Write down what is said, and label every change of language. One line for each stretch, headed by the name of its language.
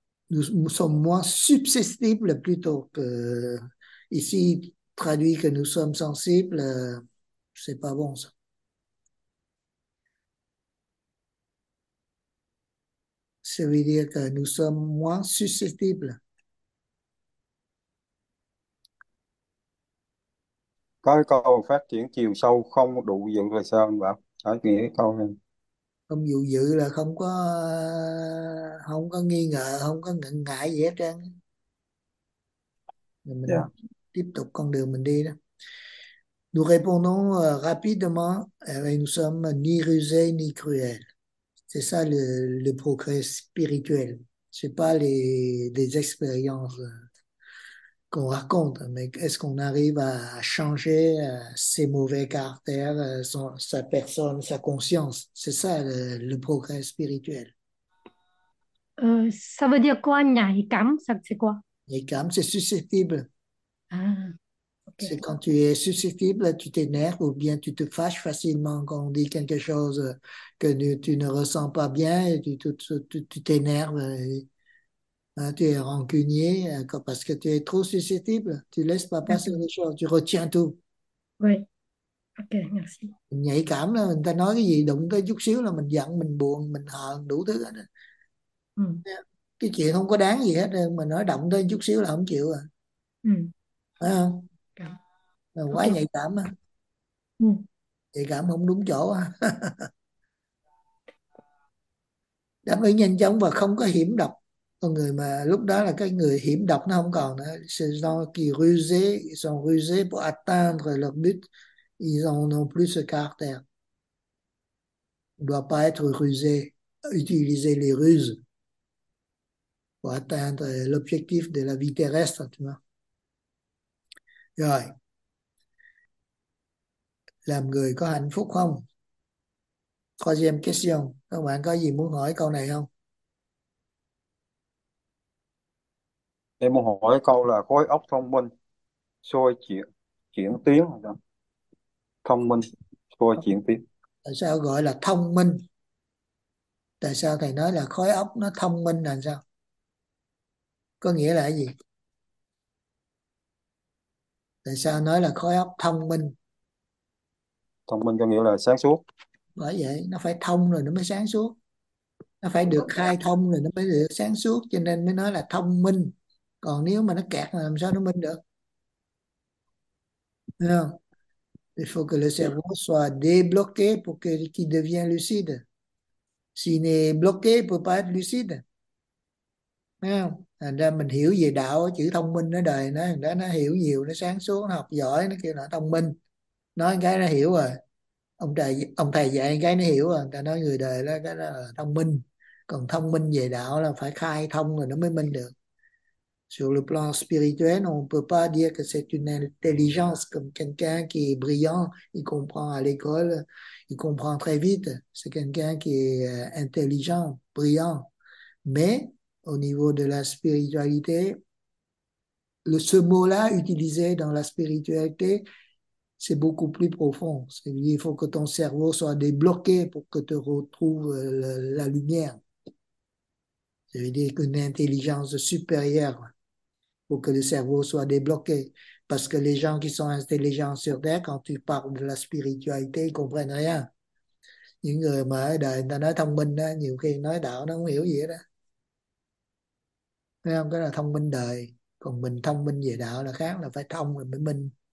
French: nous sommes moins susceptibles plutôt que ici traduit que nous sommes sensibles, c'est pas bon ça. Ça veut dire que nous sommes moins susceptibles.
Vietnamese: Có cái câu phát triển chiều sâu không đủ diện là sao anh bảo? Hỏi nghĩa cái câu này. Không dụ dự là không có nghi ngờ, không có ngần ngại gì hết trơn. Mình tiếp tục con đường mình đi đó.
French: Nous répondons rapidement et nous sommes ni rusés ni cruels. C'est ça le progrès spirituel. Ce n'est pas les expériences qu'on raconte, mais est-ce qu'on arrive à changer ses mauvais caractères, sa personne, sa conscience? C'est ça le progrès spirituel. Ça veut dire quoi, nhảy cảm, ça c'est quoi? Et comme c'est susceptible. Ah, ok. C'est quand tu es susceptible, tu t'énerves ou bien tu te fâches facilement quand on dit quelque chose que tu ne ressens pas bien et tu t'énerves. Hein, tu es rancunier parce que tu es trop susceptible. Tu laisses pas passer D'accord. les choses, tu retiens tout. Oui. Ok, merci.
Vietnamese: Nhạy cảm là người ta nói cái gì đụng tới chút xíu là mình giận, mình buồn, mình hờn đủ thứ hết. Cái chuyện không có đáng gì hết mà nói động tới chút xíu là không chịu à. Phải không? Là quá Ok. nhạy cảm á. Ừ. Nhạy cảm không đúng chỗ á. Đáp ứng nhanh chóng và không có hiểm độc. Con người mà lúc đó là cái người hiểm độc nó không còn nữa.
French: Ces gens qui rusés, ils sont rusés pour atteindre leur but, ils n'ont plus ce caractère. On ne doit pas être rusé, utiliser les ruses pour atteindre l'objectif de la vie terrestre, tu vois.
Vietnamese: Rồi. Làm người có hạnh phúc không?
French: Troisième question.
Vietnamese: Các bạn có gì muốn hỏi câu này không? Em muốn hỏi câu là khối óc thông minh xôi chuyển tuyến hay sao? Thông minh xôi chuyển tuyến. Tại sao gọi là thông minh? Tại sao thầy nói là khối óc nó thông minh là sao? Có nghĩa là gì? Tại sao nói là khối óc thông minh? Thông minh có nghĩa là sáng suốt. Bởi vậy nó phải thông rồi nó mới sáng suốt. Nó phải được khai thông rồi nó mới được sáng suốt, cho nên mới nói là thông minh. Còn nếu mà nó kẹt là làm sao nó minh được? Đúng không?
French: Il faut que le cerveau soit débloqué pour qu'il devienne lucide. S'il n'est bloqué, il ne peut pas être lucide.
Vietnamese: Thành ra mình hiểu về đạo, chữ thông minh ở đời nó, đã nó hiểu nhiều, nó sáng suốt, nó học giỏi, nó kêu là thông minh. Nói cái nó hiểu rồi. Ông thầy dạy cái nó hiểu rồi. Người ta nói người đời đó, cái đó là thông minh. Còn thông minh về đạo là phải khai thông rồi nó mới minh được.
French: Sur le plan spirituel, on ne peut pas dire que c'est une intelligence comme quelqu'un qui est brillant, il comprend à l'école, il comprend très vite. C'est quelqu'un qui est intelligent, brillant. Mais au niveau de la spiritualité, ce mot-là utilisé dans la spiritualité, c'est beaucoup plus profond. Il faut que ton cerveau soit débloqué pour que tu retrouves la lumière. C'est-à-dire qu'une intelligence supérieure pour que le cerveau soit débloqué. Parce que les gens qui sont intelligents sur Terre, quand tu parles de la spiritualité, ils ne comprennent rien.
Vietnamese: Những người mà ở đời, người ta nói thông minh, đó, nhiều khi nói đạo nó không hiểu gì hết đó. Thấy không? Cái là thông minh đời. Còn mình thông minh về đạo là khác, là phải thông rồi mới minh.